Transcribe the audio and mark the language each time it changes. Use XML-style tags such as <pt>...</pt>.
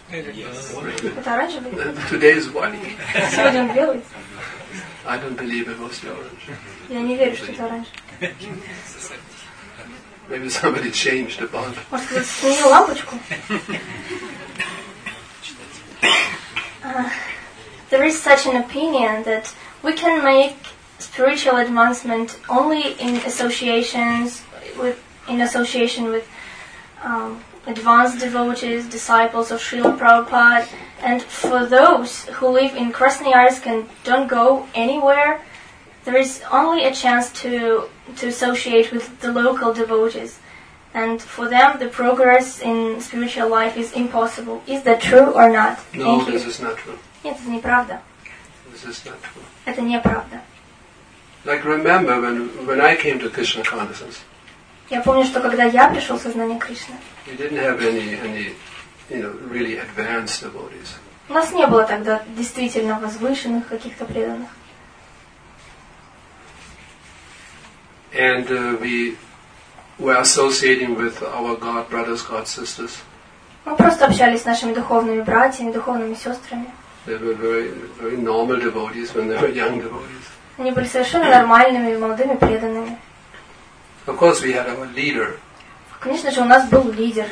<ru>Это оранжевый.</ru> <en>Today is white.</en> <ru>Сегодня он белый.</ru> <en>I don't believe it was the orange.</en> <ru>Я не верю, что это оранж.</ru> <en>Maybe somebody changed the bulb.</en> <ru>Может, кто-то сменил лампочку?</ru> <en>There is such an opinion that we can make spiritual advancement only in association with advanced devotees, disciples of Srila Prabhupada, and for those who live in Krasnoyarsk and don't go anywhere, there is only a chance to associate with the local devotees. And for them, the progress in spiritual life is impossible. Is that true or not? No, this is not true.</en> <ru>Нет, это неправда.</ru> <en>This is not true.</en> <ru>Это неправда.</ru> <en>Like, remember when I came to Krishna consciousness.</en> <ru>Я помню, что когда я пришел в сознание Кришны.</ru> <en>We didn't have any you know, really advanced devotees.</en> <ru>У нас не было тогда действительно возвышенных каких-то преданных.</ru> <en>And we we're associating with our God brothers, God sisters.</en> <ru>Мы просто общались с нашими духовными братьями, духовными сестрами.</ru> <en>They were very, very normal devotees when they were young devotees.</en> <ru>Они были совершенно нормальными молодыми преданными.</ru> <en>Of course, we had our leader.</en> <ru>Конечно же, у нас был лидер.</ru>